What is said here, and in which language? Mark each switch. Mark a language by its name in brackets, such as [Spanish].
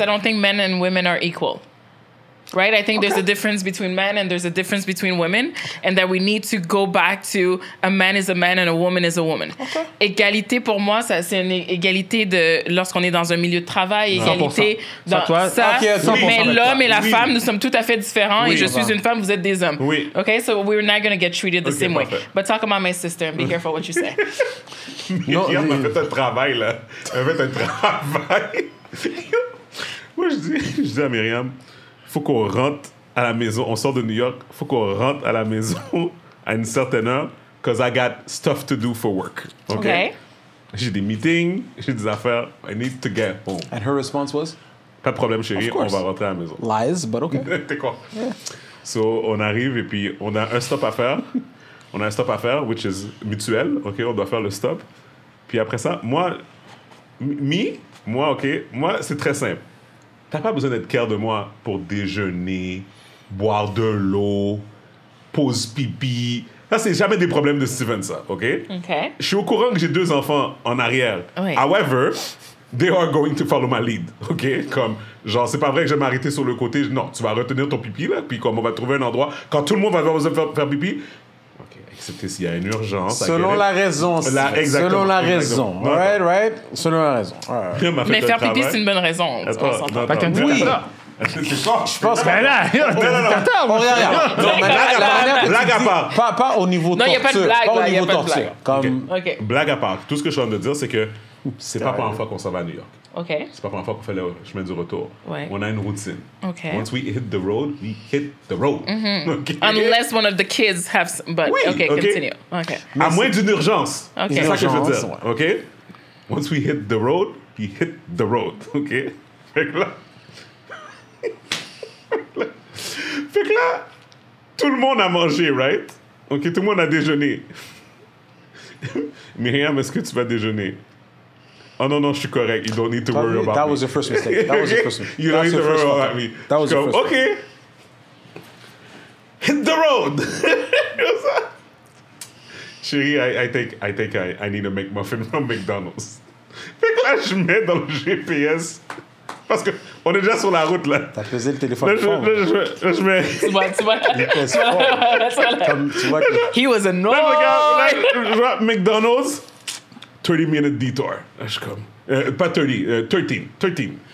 [English] I don't think men and women are equal. Right, I think there's a difference between men and there's a difference between women, and that we need to go back to a man is a man and a woman is a woman. Okay. [French] Égalité pour moi, ça c'est une égalité de lorsqu'on est dans un milieu de travail, égalité 100%. Dans toi, ça. Okay, 100% mais l'homme et la femme, nous sommes tout à fait différents. Oui, et je suis une femme, vous êtes des hommes. Oui. [English] Okay, so we're not going to get treated the same way. But talk about my sister. Be careful what you say. [French] Non, on a fait un travail là. On a fait un travail. Moi, je dis à Myriam. Faut qu'on rentre à la maison. On sort de New York. Faut qu'on rentre à la maison à une certaine heure. [English] Cause I got stuff to do for work. Okay. [French] J'ai des meetings. J'ai des affaires. [English] I need to get home. And her response was? [French] Pas de problème, chérie. On va rentrer à la maison. [English] Lies, but okay. [French] T'es quoi? [English] Yeah. So, [French] on arrive et puis on a un stop à faire. On a un stop à faire, [English] which is [French] mutuel. Okay, on doit faire le stop. Puis après ça, moi, c'est très simple. T'as pas besoin d'être care de moi pour déjeuner, boire de l'eau, pause pipi. Ça, c'est jamais des problèmes de Steven, ça, OK? OK. Je suis au courant que j'ai deux enfants en arrière. Oui. [English] However, they are going to follow my lead, OK? [French] Comme, genre, c'est pas vrai que je vais m'arrêter sur le côté. Non, tu vas retenir ton pipi, là, puis comme on va trouver un endroit. Quand tout le monde va avoir besoin de faire pipi... Excepté s'il y a une urgence. Selon la raison. Selon la raison. [English] Right? [French] Selon la raison. Ouais. Mais faire pipi, c'est une bonne raison. Attends. dictateur. Oui. Je pense que... Blague à part. Pas au niveau torture. Non, il n'y a pas de blague. Pas au niveau torture. Blague à part. Tout ce que je viens de dire, c'est que c'est pas la première fois qu'on s'en va à New York. OK. C'est pas la première fois qu'on fait le chemin du retour. Ouais. On a une routine. OK. [English] Once we hit the road, we hit the road. Mm-hmm. Okay. Unless one of the kids have some... But [French] oui. [English] OK, continue. Okay. [French] À moins d'une urgence. OK. C'est ça que je veux dire. Ouais. OK. [English] Once we hit the road, we hit the road. OK. [French] Fait que là, tout le monde a mangé, [English] right? [French] OK, tout le monde a déjeuné. Myriam, est-ce que tu vas déjeuner? Oh non, je suis correct. [English] You don't need to worry about me. That was your first mistake. That was your first mistake. You don't need to worry about me. That was your first mistake. Okay. Hit the road. Chérie, I think I need to make muffin from McDonald's. [French] Fait que là, je mets dans le GPS. Parce qu'on est déjà sur la route, là. T'as pesé le téléphone fort. Je mets... Tu vois. [English] He was annoyed. [French] Là, McDonald's. [English] 30 minute detour. [French] Je suis comme. Pas 30, 13. 13.